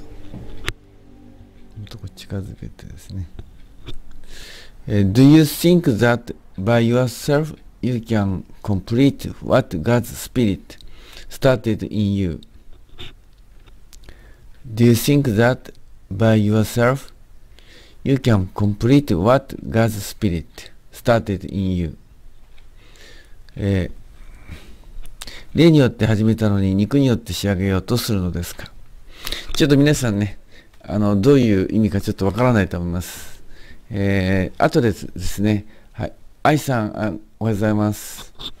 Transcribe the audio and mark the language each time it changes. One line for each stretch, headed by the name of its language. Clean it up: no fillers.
Japanese: もっと近づけてですね。
English: Do you think that by yourself you can complete what God's Spirit started in you? Do you think that by yourself you can complete what God's Spirit started in you?
Japanese: 霊によって始めたのに肉によって仕上げようとするのですか。ちょっと皆さんね、どういう意味かちょっとわからないと思います。あとでですね、はい、愛さん、おはようございます。